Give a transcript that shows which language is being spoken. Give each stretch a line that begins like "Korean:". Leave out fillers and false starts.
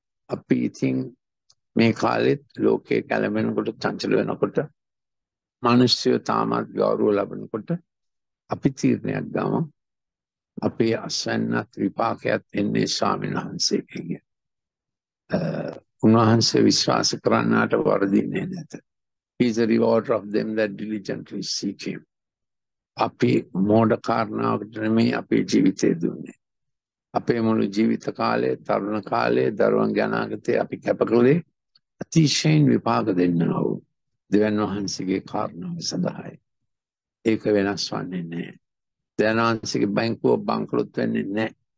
Sinhala: අපි ඉතින් මේ කාලෙත් ලෝකයේ කැළඹෙනකොට චංචල වෙනකොට මිනිස්සු තාමත් ගෞරව ලබනකොට අපි තීරණයක් ගමු. අපේ අසන්නත් විපාකයක් එන්නේ ස්වාමීන් වහන්සේගෙන්. උන්වහන්සේ විශ්වාස කරන්නාට වරදීන්නේ නැත.
English: He is a rewarder of them that diligently seek him.
Sinhala: අපි මොඩ කාරණාවකට නෙමෙයි අපේ ජීවිතය දුන්නේ. අපේ මුළු ජීවිත කාලය, තරුණ කාලය, දරුවන්ගේ අනාගතය අපි කැප කළේ අතිශයින් විපාක දෙන්නා වූ දෙවන් වහන්සේගේ කාරණාව සඳහායි. ඒක වෙනස් වන්නේ නැහැ. දෙවන් වහන්සේගේ බැංකුව බංකොලොත් වෙන්නේ නැහැ.